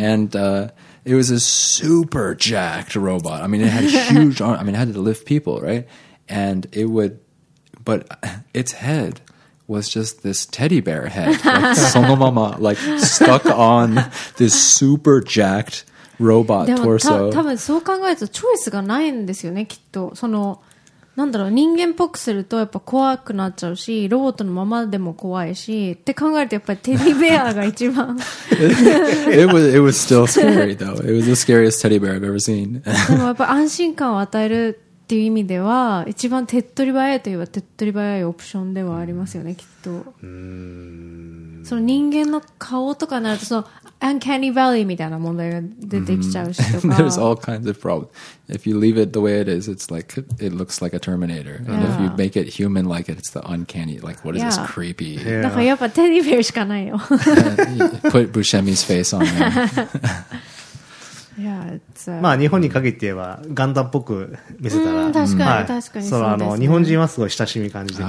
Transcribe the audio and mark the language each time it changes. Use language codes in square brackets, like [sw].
[en] And it was a super jacked robot. I mean, it had huge arms. I mean, it had to lift people, right? And it would, but its head was just this teddy bear head, like [ja] sono mama, [en] like stuck on this super jacked robot torso. [ja] 多分そう考えるとチョイスがないんですよね、きっと。その、なんだろう、人間っぽくするとやっぱ怖くなっちゃうし、ロボットのままでも怖いし、って考えるとやっぱりテディベアが一番。 [en] it was still scary though. It was the scariest teddy bear I've ever seen. [ja] でもやっぱ安心感を与えるっていう意味では、一番手っ取り早いといえば手っ取り早いオプションではありますよね、きっと。その人間の顔とかになると、そのUncanny Valley みたいな問題が出てきちゃうしとか。Mm-hmm. [en] There's all kinds of problems. If you leave it the way it is, it's like it looks like a Terminator. And if you make it human-like, it's the uncanny. Like, what is this creepy? Yeah. [ja] だからやっぱテディベアしかないよ。 [en] Put Buscemi's face on there. Yeah, it's. [ja] まあ日本に限って言えばガンダムっぽく見せたら。確かに確かに。そうですね。日本人はすごい親しみ感じてる。